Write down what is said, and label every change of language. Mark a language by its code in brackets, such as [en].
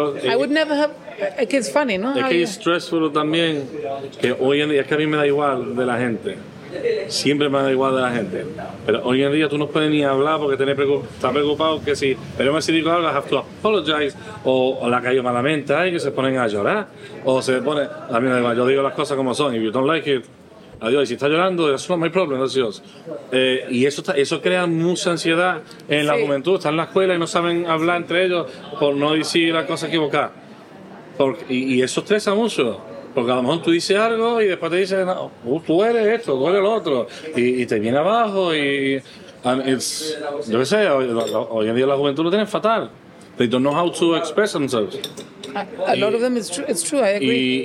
[en] I would never have. [es] Es que es funny, ¿no? Es que es stressful también, que hoy en día, es que a mí me da igual de la gente. Siempre me da igual de la gente. Pero hoy en día tú no puedes ni hablar porque estás preocupado que si, pero si digo algo, [en] I have to apologize, [es] o la callo malamente, ay, que se ponen a llorar, o se pone, a mí me da igual, yo digo las cosas como son, [en] if you don't like it, [es] Adiós, si está llorando, [en] that's not my problem, that's yours. [es] Y eso, eso crea mucha ansiedad en la juventud. Están en la escuela y no saben hablar entre ellos por no decir la cosa equivocada. Porque, y eso estresa mucho. Porque a lo mejor tú dices algo y después te dicen, no, tú eres esto, tú eres lo otro. Y te viene abajo y... hoy en día la juventud lo tienen fatal. [en] They don't know how to express themselves. A lot of them, it's true, I agree.